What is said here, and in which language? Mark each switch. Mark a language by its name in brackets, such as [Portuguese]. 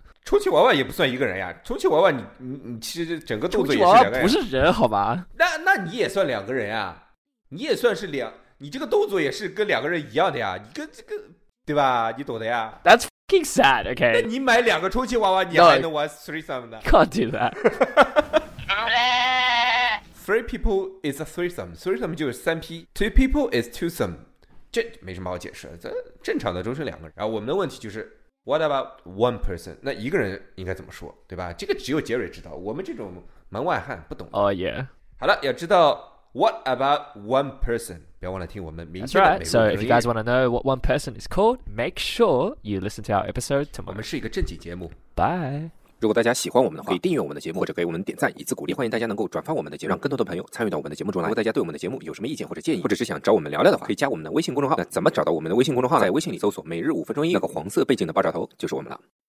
[Chinese] 充气娃娃也不算一个人呀。充气娃娃你其实整个动作也是两个人。充气娃娃不是人好吧。那你也算两个人呀。你也算是两。你这个动作也是跟两个人一样的呀。你跟这个。对吧你懂的呀。 [English] That's fucking sad, okay. [Chinese] 那你买两个充气娃娃你还能玩 threesome 的。 [English] No, can't do that. Three people is a threesome. Threesome [Chinese] 就是三 P. [English] Two people is twosome. [Chinese] 这没什么好解释，这正常的都是两个人。然后我们的问题就是 ， [English] What about one person？ [Chinese] 那一个人应该怎么说，对吧？这个只有杰瑞知道，我们这种门外汉不懂。 [English] Oh yeah。 [Chinese] 好了，要知道 [English] What about one person？ [Chinese] 不要忘了听我们明天的美国口音。 [English] That's right. So if you guys want to know what one person is called, make sure you listen to our episode tomorrow. [Chinese] 我们是一个正经节目。 [English] Bye。 [Chinese] 如果大家喜欢我们的话，可以订阅我们的节目或者给我们点赞以资鼓励，欢迎大家能够转发我们的节目，让更多的朋友参与到我们的节目中来。如果大家对我们的节目有什么意见或者建议，或者是想找我们聊聊的话，可以加我们的微信公众号。那怎么找到我们的微信公众号呢？在微信里搜索每日五分钟一，那个黄色背景的爆炸头就是我们了。